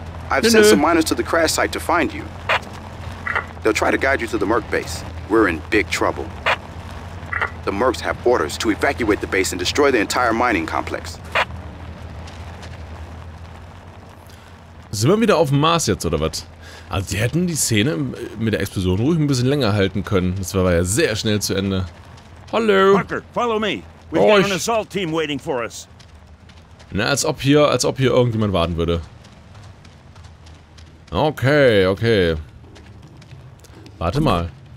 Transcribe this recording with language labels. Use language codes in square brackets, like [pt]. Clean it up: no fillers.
[en] I've sent some miners to the crash site to find you. They'll try to guide you to the Merc base. We're in big trouble. The Mercs have orders to evacuate the base and destroy the entire mining complex. [de] Sind wir wieder auf dem Mars jetzt, oder was? Also, sie hätten die Szene mit der Explosion ruhig ein bisschen länger halten können. Das war ja sehr schnell zu Ende. Hallo! [en] Parker, follow me. We've got an assault team waiting for us. [de] Na, als ob hier irgendjemand warten würde. Okay, okay. Warte mal.